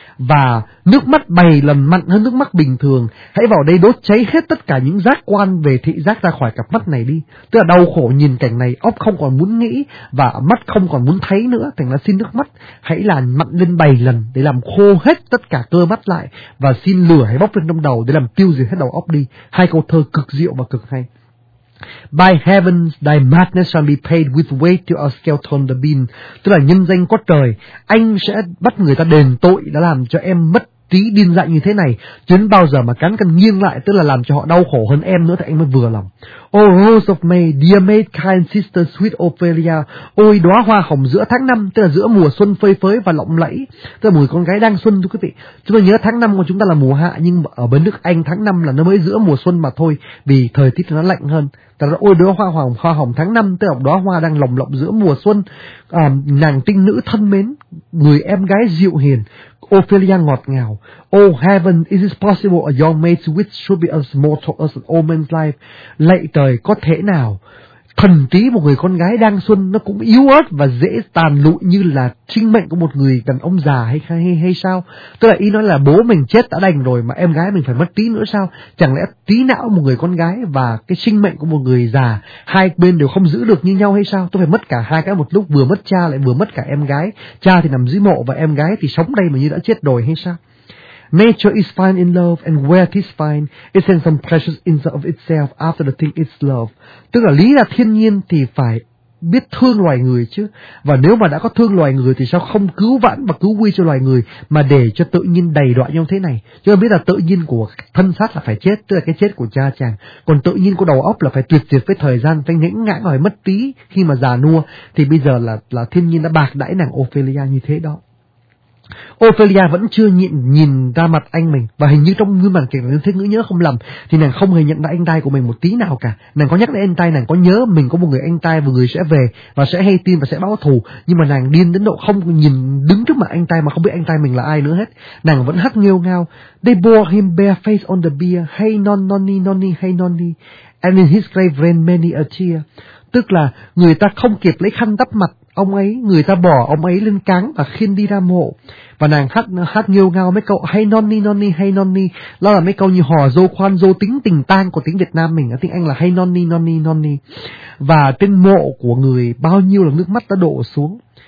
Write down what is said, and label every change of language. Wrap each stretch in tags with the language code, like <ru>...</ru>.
<vi>Và nước mắt bày lần mặn hơn nước mắt bình thường, hãy vào đây đốt cháy hết tất cả những giác quan về thị giác ra khỏi cặp mắt này đi. Tức là đau khổ nhìn cảnh này, óc không còn muốn nghĩ và mắt không còn muốn thấy nữa, thành ra xin nước mắt hãy làm mặn lên bày lần để làm khô hết tất cả cơ mắt lại, và xin lửa hãy bốc lên trong đầu để làm tiêu diệt hết đầu óc đi. Hai câu thơ cực diệu và cực hay.</vi> <en>"By heavens, thy madness shall be paid with weight to a skeleton the bean."</en> <vi>Tức là nhân danh có trời, anh sẽ bắt người ta đền tội đã làm cho em mất trí điên dại như thế này. Chuyến bao giờ mà cắn cần nghiêng lại, tức là làm cho họ đau khổ hơn em nữa, thì anh mới vừa lòng.</vi> <en>"Oh, rose of May, dear maid, kind sister, sweet Ophelia."</en> <vi>Ôi đóa hoa hồng giữa tháng năm, tức là giữa mùa xuân phơi phới và lộng lẫy, tức là mùa con gái đang xuân, thưa quý vị. Chúng ta nhớ tháng năm của chúng ta là mùa hạ, nhưng ở bên nước Anh tháng năm là nó mới giữa mùa xuân mà thôi, vì thời tiết nó lạnh hơn. Tức là ôi đóa hoa hồng tháng năm, tức là đóa hoa đang lồng lộng giữa mùa xuân. Nàng tinh nữ thân mến, người em gái dịu hiền, Ophelia ngọt ngào.</vi> <en>"Oh heaven, is it possible a young maid's wit should be as mortal as an old man's life?"</en> <vi>Lạy trời, có thể nào thần trí một người con gái đang xuân nó cũng yếu ớt và dễ tàn lụi như là sinh mệnh của một người đàn ông già hay sao? Tức là ý nói là bố mình chết đã đành rồi mà em gái mình phải mất trí nữa sao? Chẳng lẽ trí não một người con gái và cái sinh mệnh của một người già hai bên đều không giữ được như nhau hay sao? Tôi phải mất cả hai cái một lúc, vừa mất cha lại vừa mất cả em gái. Cha thì nằm dưới mộ và em gái thì sống đây mà như đã chết rồi hay sao?</vi> <en>"Nature is fine in love, and where it is fine, it sends some precious insult of itself after the thing it's love."</en> <vi>Tức là lý là thiên nhiên thì phải biết thương loài người chứ. Và nếu mà đã có thương loài người thì sao không cứu vãn và cứu nguy cho loài người mà để cho tự nhiên đầy đọa nhau thế này? Chứ biết là tự nhiên của thân xác là phải chết, tức là cái chết của cha chàng. Còn tự nhiên của đầu óc là phải tuyệt diệt với thời gian, phải ngã ngã rồi mất tí khi mà già nua. Thì bây giờ là thiên nhiên đã bạc đãi nàng Ophelia như thế đó. Ophelia vẫn chưa nhìn ra mặt anh mình, và hình như trong gương mặt kiểu như thế ngữ nhớ không lầm thì nàng không hề nhận ra anh trai của mình một tí nào cả. Nàng có nhắc đến anh trai, nàng có nhớ mình có một người anh trai và người sẽ về và sẽ hay tin và sẽ báo thù, nhưng mà nàng điên đến độ không nhìn đứng trước mặt anh trai mà không biết anh trai mình là ai nữa hết. Nàng vẫn hát nghêu ngao:</vi> <en>"They bore him barefaced on the bier, hey non nonny nonny hey nonny, and in his grave ran many a tear."</en> <vi>Tức là người ta không kịp lấy khăn đắp mặt ông ấy, người ta bỏ ông ấy lên cáng và khiên đi ra mộ. Và nàng hát nghêu ngao mấy câu hay nonny nonny hay nonny, đó là mấy câu như hò dô khoan dô tính tình tang của tiếng Việt Nam mình, ở tiếng Anh là hay nonny nonny nonny. Và trên mộ của người bao nhiêu là nước mắt đã đổ xuống.</vi>